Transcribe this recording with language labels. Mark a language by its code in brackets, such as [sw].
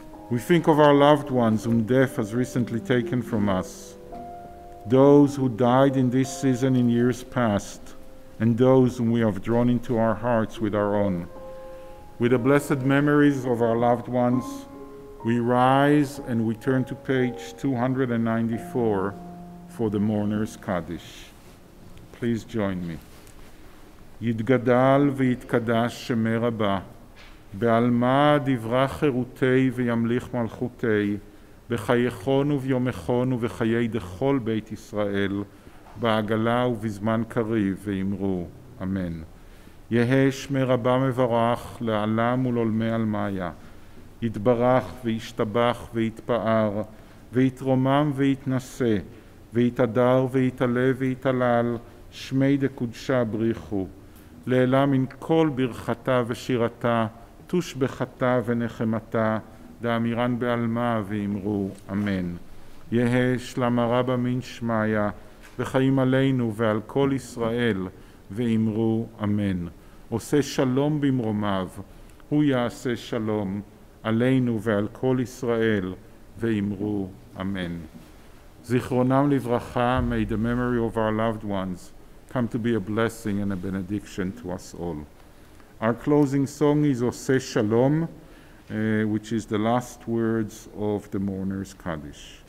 [en] We think of our loved ones whom death has recently taken from us, those who died in this season in years past, and those whom we have drawn into our hearts with our own. With the blessed memories of our loved ones, we rise and we turn to page 294 for the Mourner's Kaddish. Please join me. [arc] Yidgadal v'yitkadash shemer haba, בעלמה דברה חירותי וימליך מלכותי, בחייכון וביומכון ובחיי דכל בית ישראל, בעגלה ובזמן קריב, ואמרו, אמן. יהי שמי רבה מברך לעלם ולעולמי עלמאיה. יתברך וישתבח ויתפאר, ויתרומם ויתנשא, ויתהדר ויתעלה ויתעלל, שמי דקודשה בריחו. לעילה מן כל ברכתה ושירתה, תושבחתה ונחמתה, דאמירן בעלמה ואמרו אמן. יהי שלמה רבה מן שמיה, וחיים עלינו ועל כל ישראל, ואמרו אמן. עושה שלום במרומיו, הוא יעשה שלום עלינו ועל כל ישראל, ואמרו אמן. [he] זיכרונם לברכה, [en] may the memory of our loved ones come to be a blessing and a benediction to us all. Our closing song is Ose Shalom, which is the last words of the mourner's Kaddish.